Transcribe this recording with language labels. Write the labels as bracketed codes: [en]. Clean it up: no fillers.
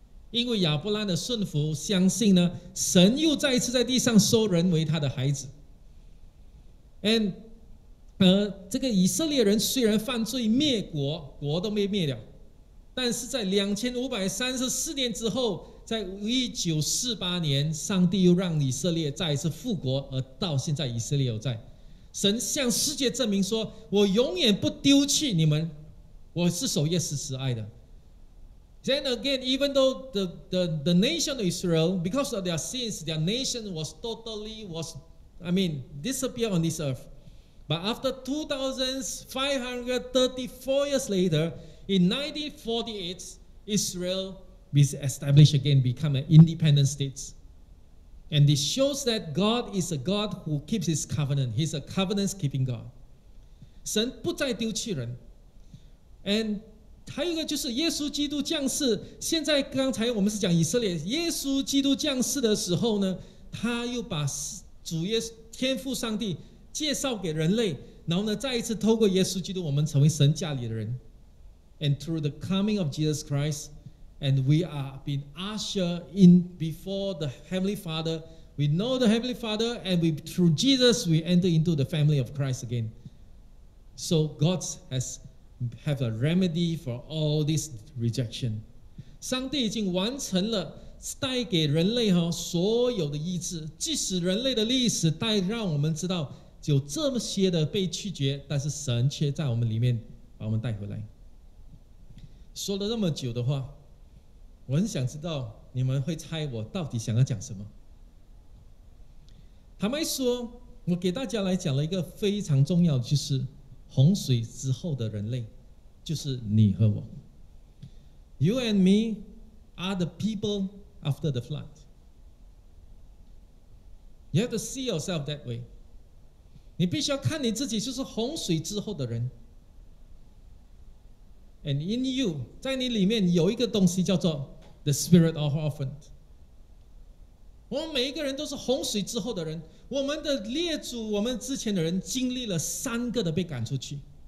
[zh] 因为亚伯拉罕的顺服相信呢，神又再一次在地上收人为他的孩子。 And 这个以色列人虽然犯罪灭国，国都被灭了，但是在2534年之后，在1948年，上帝又让以色列再一次复国，而到现在以色列有在。神向世界证明说，我永远不丢弃你们，我是守约施慈爱的。 [en] Then again, even though the nation of Israel, because of their sins, their nation was totally, disappeared on this earth. But after 2,534 years later, in 1948, Israel is established again, become an independent state. And this shows that God is a God who keeps his covenant. He's a covenant-keeping God. [zh] 神不再丢弃人。 And 还有一个就是耶稣基督降世，现在刚才我们是讲以色列，耶稣基督降世的时候呢，他又把主耶稣天父上帝介绍给人类，然后呢再一次透过耶稣基督我们成为神家里的人。 [en] And through the coming of Jesus Christ, and we are being ushered in before the Heavenly Father, we know the Heavenly Father, and we through Jesus we enter into the family of Christ again. So God has have a remedy for all this rejection. [zh] 上帝已经完成了带给人类所有的医治，即使人类的历史带让我们知道有这么些的被拒绝，但是神却在我们里面把我们带回来。说了那么久的话，我很想知道你们会猜我到底想要讲什么。坦白说，我给大家来讲了一个非常重要的，就是洪水之后的人类，就是你和我。 [en] You and me are the people after the flood. You have to see yourself that way. [zh] 你必须要看你自己就是洪水之后的人。 [en] And in you, [zh] 在你里面有一个东西叫做 [en] the spirit of orphan. [zh] 我们每一个人都是洪水之后的人。我们的列祖，我们之前的人经历了三个的被赶出去。